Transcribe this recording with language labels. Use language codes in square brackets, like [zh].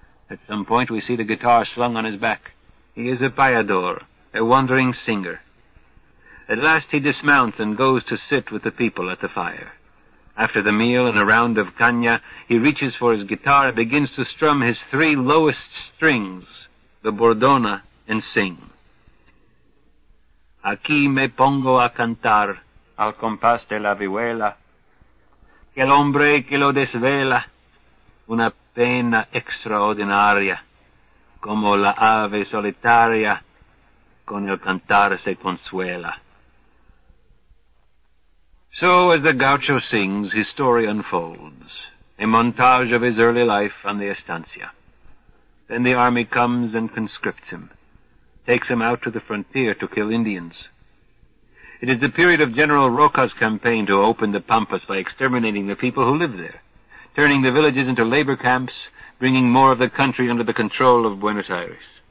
[en] At some point, we see the guitar slung on his back. He is a payador, a wandering singer. At last, he dismounts and goes to sit with the people at the fire. After the meal and a round of caña, he reaches for his guitar and begins to strum his three lowest strings, the bordona, and sing. [es] Aquí me pongo a cantar al compás de la vihuela, que el hombre que lo desvela, una pena extraordinaria, como la ave solitaria con el cantar se consuela. [en] So, as the gaucho sings, his story unfolds, a montage of his early life on the estancia. Then the army comes and conscripts him, takes him out to the frontier to kill Indians. It is the period of General Roca's campaign to open the pampas by exterminating the people who live there, turning the villages into labor camps, bringing more of the country under the control of Buenos Aires.